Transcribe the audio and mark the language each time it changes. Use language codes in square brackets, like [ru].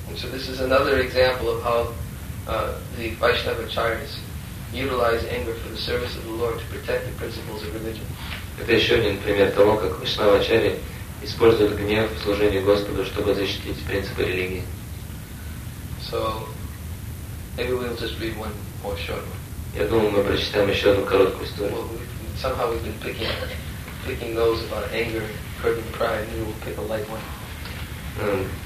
[en] So this is another example of how the Vaishnava Acharyas utilize anger for the service of the Lord to protect the principles of religion. [ru] Это еще один пример того, как Вайшнава Ачарьи используют гнев в служении Господу, чтобы защитить принципы религии. [en] So maybe we'll just read one more short one. [ru] Я думаю, мы прочитаем еще одну короткую историю. [en] Well, somehow we've been picking those about anger, hurt and pride, and we'll pick a light one.